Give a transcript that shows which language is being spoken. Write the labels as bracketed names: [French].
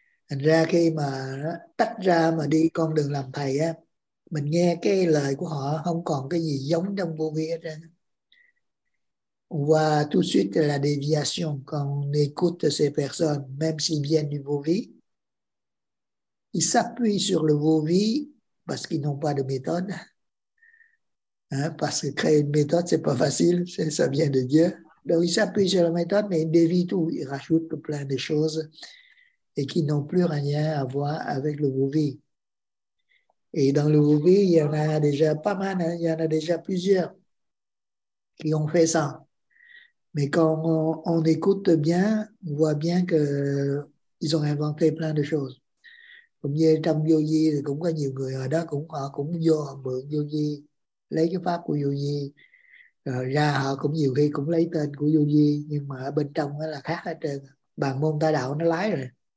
[Vietnamese] Thành ra khi mà tách ra mà đi con đường làm thầy á, mình nghe cái lời của họ không còn cái gì giống trong vô vi hết trơn. [French] On voit tout de suite la déviation quand on écoute ces personnes, même s'ils viennent du vô vi. Ils s'appuient sur le vô vi parce qu'ils n'ont pas de méthode. Hein, parce que créer une méthode, ce n'est pas facile, ça vient de Dieu. Donc, il s'appuie sur la méthode, mais il dévie tout. Il rajoute plein de choses et qui n'ont plus rien à voir avec le Vouvi. Et dans le Vouvi, il y en a déjà pas mal, hein, il y en a déjà plusieurs qui ont fait ça. Mais quand on écoute bien, on voit bien qu'ils ont inventé plein de choses. Comme il y a [Vietnamese] trong vô vi, cũng có nhiều người ở đó cũng họ cũng vô mượn vô vi, lấy cái pháp của vô vi ra, họ cũng nhiều khi cũng lấy tên của vô vi, nhưng mà ở bên trong là khác hết trơn. Bàn môn ta đạo nó lái rồi.